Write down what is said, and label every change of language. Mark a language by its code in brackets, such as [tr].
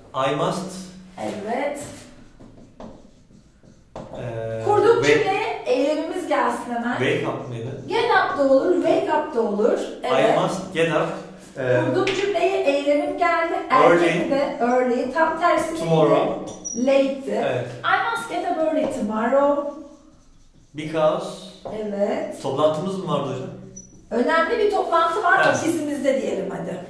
[en] I must. [tr] Evet. Kurduk cümleye eylemimiz gelsin hemen. [en] Wake up [tr] mıydı? [en] Get up [tr] da olur, [en] wake up [tr] da olur. Evet. [en] I must get up. [tr] Kurduk cümleye eylemim geldi. [en] Early. [tr] Tam tersi [en] tomorrow. Late'ti. [tr] Evet. [en] I must get up early tomorrow. Because. [tr] Evet. Toplantımız mı vardı hocam? Önemli bir toplantı var çok izimizde diyelim hadi.